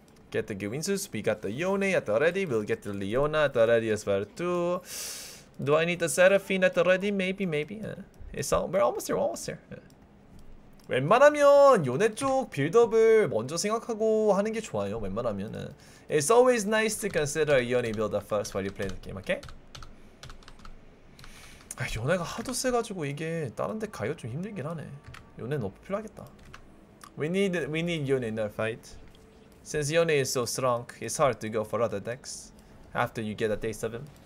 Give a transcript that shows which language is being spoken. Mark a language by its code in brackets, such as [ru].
[en] Get the Gwinsus, we got the Yone at the ready, we'll get the Leona at the ready as well too. Do I need the Seraphine at the ready? Maybe, maybe. It's all, we're almost there, almost there. [ko] 웬만하면 요네 쪽 빌드업을 먼저 생각하고 하는 게 좋아요, 웬만하면. [en] It's always nice to consider Yone build-up first while you play the game, okay? [ko] 요네가 하도 세가지고 이게 다른 데 가요 좀 힘들긴 하네. 요네는 너무 필요하겠다. [en] We need Yone in our fight. Since Yone is so strong, it's hard to go for other decks after you get a taste of him.